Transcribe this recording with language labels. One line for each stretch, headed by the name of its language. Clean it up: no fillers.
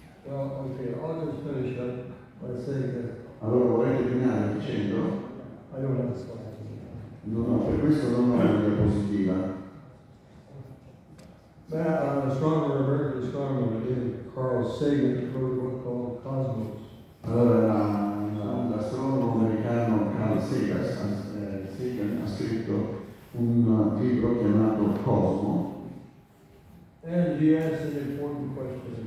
English: I'll just finish up by saying that.
Italian: Allora vorrei terminare dicendo.
English: I don't have a slide.
Italian: No, per questo non ho una diapositiva.
English: An astronomer, a very good astronomer, named Carl Sagan, wrote a book called Cosmos.
Italian: Allora, l'astronomo americano Carl Sagan ha scritto un libro chiamato Cosmo.
English: And he asked an important question.